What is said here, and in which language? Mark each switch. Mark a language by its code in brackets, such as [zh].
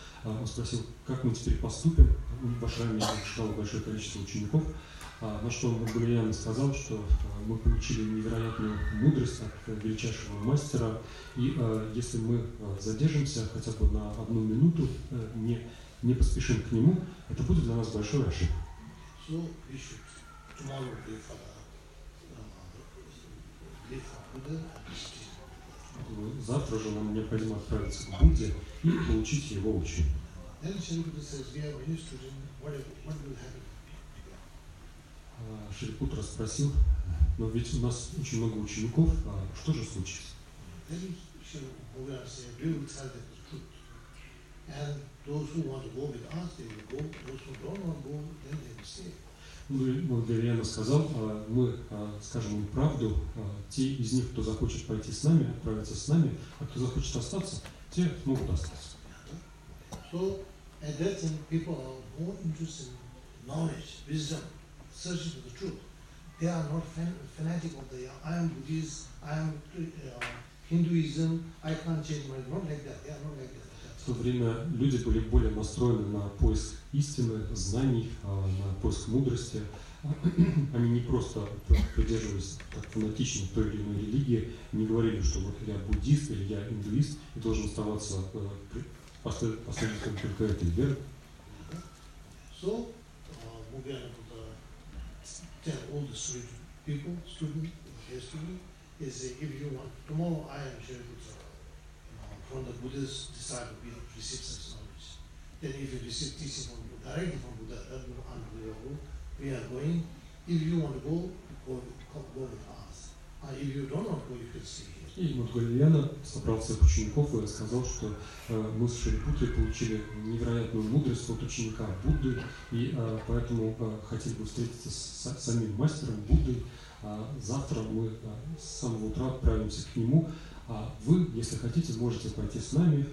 [ru] Он спросил, как мы теперь поступим. В ашраме читало большое количество учеников. На что Мадхуяна сказал, что мы получили невероятную мудрость от величайшего мастера. И если мы задержимся хотя бы на одну минуту, не поспешим к нему, это будет для нас большой ошибкой. [en] So we should tomorrow leave for Buddha and stay. [ru] Завтра же нам необходимо отправиться к Будде и получить его учение. [en] Then Shri Putra says, we are new student, what will happen? [ru] Шри Путра спросил, но ведь у нас очень много учеников, а что же случится? [en] Then Shri Putra said, we will tell them the truth. And those who want to go with us, they will go. Those who don't want to go, then they will stay. [ru] Мадхуяна сказал, мы скажем им правду, те из них, кто захочет пойти с нами, отправиться с нами, а кто захочет остаться, те могут остаться. [en] So, at that time, people are more interested in knowledge, wisdom, searching for the truth. They are not fanatic of the, I am Buddhist, I am Hinduism, I can't change my mind. Not like that, they are not like that. [ru] В то время люди были более настроены на поиск истины, знаний, на поиск мудрости. Они не просто придерживались так фанатично той или иной религии, не говорили, что вот я буддист или я индуист и должен оставаться последователем только этой веры. [en] So, we are going to tell all the students, if you want, tomorrow I am sharing with you. From the Buddha's disciple, we have received such knowledge. Then if you receive teaching from Buddha, directly from Buddha, that will under your own, we are going. If you want to go, go with us. And if you don't want to go, you can stay here. [ru] И Мадхуяна собрал всех учеников и сказал, что мы с Шри Путрой получили невероятную мудрость от ученика Будды, и поэтому хотели бы встретиться с самим мастером Буддой. Завтра мы с самого утра отправимся к нему. А вы, если хотите, можете пойти с нами.